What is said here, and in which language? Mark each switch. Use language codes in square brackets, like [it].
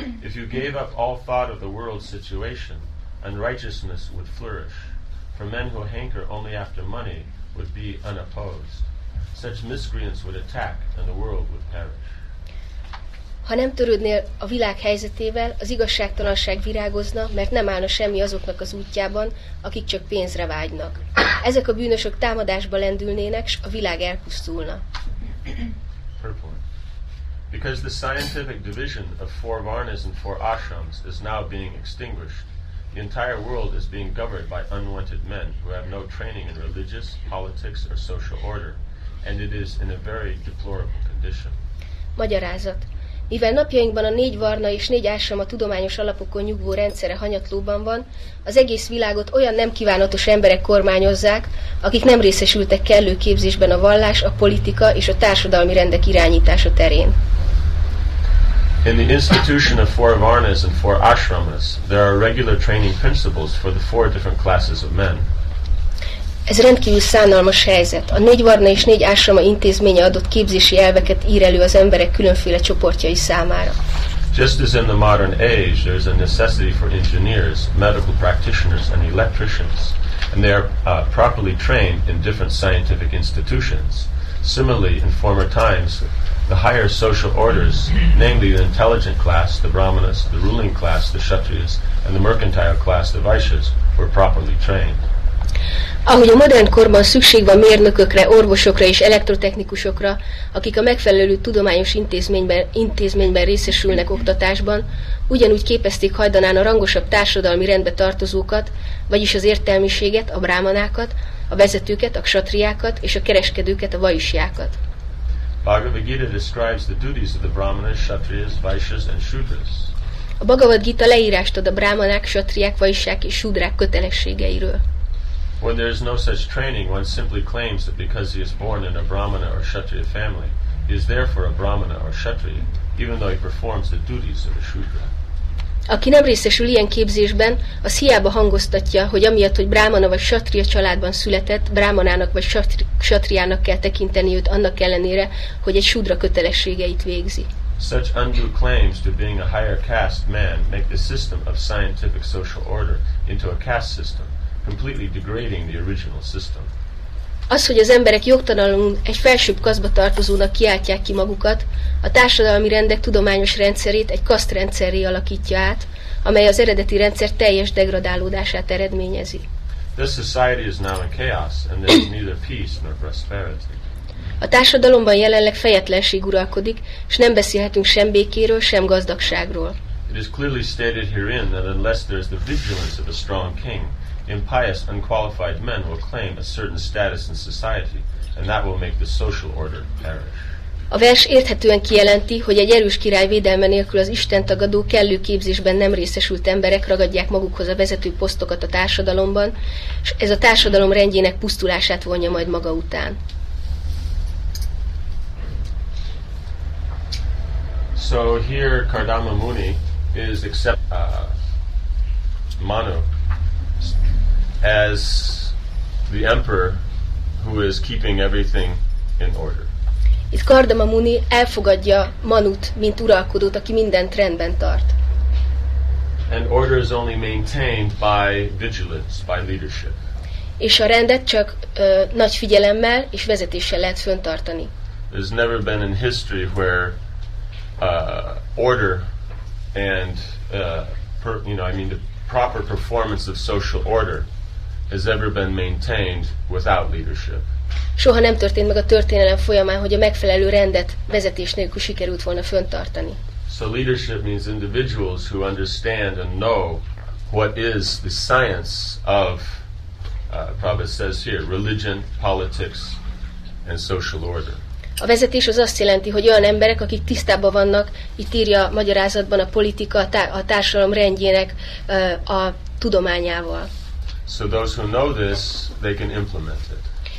[en] If you gave up all thought of the world's situation, unrighteousness would flourish, for men who hanker only after money would be unopposed. Such miscreants would attack, and the world would perish. [hu] Ha nem törődnél a világ helyzetével, az igazságtalanság virágozna, mert nem állna semmi azoknak az útjában, akik csak pénzre vágynak. Ezek a bűnösök támadásba lendülnének, s a világ elpusztulna. [en] Because the scientific division of four varnas and four ashrams is now being extinguished, the entire world is being governed by unwanted men who have no training in religious, politics, or social order, and it is in a very deplorable condition. [hu] Magyarázat. Mivel napjainkban a négy varna és négy ashram a tudományos alapokon nyugvó rendszere hanyatlóban van, az egész világot olyan nem kívánatos emberek kormányozzák, akik nem részesültek kellő képzésben a vallás, a politika és a társadalmi rendek irányítása terén. [en] In the institution of four varnas and four ashramas, there are regular training principles for the four different classes of men. [hu] Ez rendkívül szánalmas helyzet. A négy varna és négy ásrama intézménye adott képzési elveket ír elő az emberek különféle csoportjai számára. [en] Just as in the modern age, there is a necessity for engineers, medical practitioners and electricians, and they are properly trained in different scientific institutions. Similarly, in former times, the higher social orders, namely the intelligent class, the brahmanas, the ruling class, the kshatriyas, and the mercantile class, the vaishyas, were properly trained. [hu] Ahogy a modern korban szükség van mérnökökre, orvosokra és elektrotechnikusokra, akik a megfelelő tudományos intézményben részesülnek oktatásban, ugyanúgy képezték hajdanán a rangosabb társadalmi rendbe tartozókat, vagyis az értelmiséget, a brámanákat, a vezetőket, a ksatriákat és a kereskedőket, a vaisyákat. [en] Bhagavad Gita describes the duties of the brahmanas, kshatriyas, vaishyas and shudras. [hu] A Bhagavad Gita leírást ad a brámanák, kshatriák, vaisyák és shudrák kötelességeiről. [en] When there is no such training, one simply claims that because he is born in a brahmana or kshatriya family, he is therefore a brahmana or kshatriya, even though he performs the duties of a shudra. [hu] Aki nem részesül ilyen képzésben, az hiába hangoztatja, hogy amiatt, hogy brámana vagy kshatriya családban született, brámanának vagy kshatriának kell tekinteni őt annak ellenére, hogy egy shudra kötelességeit végzi. [en] Such undue claims to being a higher caste man make the system of scientific social order into a caste system, completely degrading the original system. [hu] Az, hogy az emberek jogtalanul egy felsőbb kasztba tartozónak kiáltják ki magukat, a társadalmi rendek tudományos rendszerét egy kasztrendszerré alakítja át, amely az eredeti rendszer teljes degradálódását eredményezi. [en] This society is now in chaos, and there is neither peace nor prosperity. [hu] A társadalomban jelenleg fejetlenség uralkodik, és nem beszélhetünk sem békéről, sem gazdagságról. [en] It is clearly stated herein that unless there is the vigilance of a strong king, impious, unqualified men will claim a certain status in society, and that will make the social order perish. [hu] A vers érthetően kijelenti, hogy egy erős király védelme nélkül az istentagadó kellő képzésben nem részesült emberek ragadják magukhoz a vezető posztokat a társadalomban, és ez a társadalom rendjének pusztulását vonja majd maga után. [en] So here Kardama Muni is except Manu as the emperor who is keeping everything in order. [hu] Itt Kardama Muni elfogadja Manut, mint uralkodót, aki mindent rendben tart. [en] And order is only maintained by vigilance, by leadership. [hu] És a rendet csak nagy figyelemmel és vezetéssel lehet fönntartani. [en] There's never been in history where order and the proper performance of social order has ever been maintained without leadership. [hu] Soha nem történt meg a történelem folyamán, hogy a megfelelő rendet vezetés nélkül sikerült volna fönntartani. [en] So leadership means individuals who understand and know what is the science of Prabhupada says here, religion, politics and social order. [hu] A vezetés az azt jelenti, hogy olyan emberek, akik tisztában vannak, itt írja a magyarázatban a politika, a társadalom rendjének a tudományával. [en] So those who know this, they can implement it.